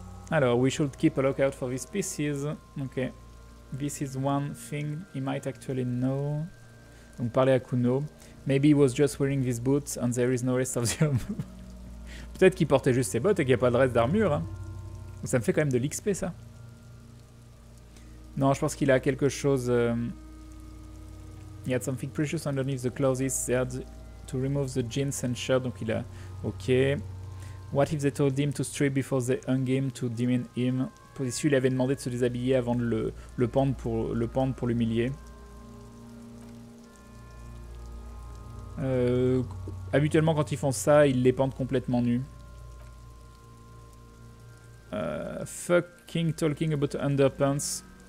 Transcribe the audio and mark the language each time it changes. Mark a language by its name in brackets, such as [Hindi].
[English] Alors, we should keep a lookout for these pieces. Ok. This is one thing he might actually know. [French] Donc parler à Kuno. [English] Maybe he was just wearing these boots and there is no rest of the... [French] Peut-être qu'il portait juste ses bottes et qu'il n'y a pas de reste d'armure. Hein. Ça me fait quand même de l'XP, ça. Non, je pense qu'il a quelque chose... [English] He had something precious underneath the clothes. They had to remove the jeans and shirt. [French] Donc il a... [English] Ok. What if they told him to strip before they hung him to demean him? [French] Position, il avait demandé de se déshabiller avant de le pendre pour l'humilier. Habituellement, quand ils font ça, ils les pendent complètement nus. [English] Fucking talking about underpants.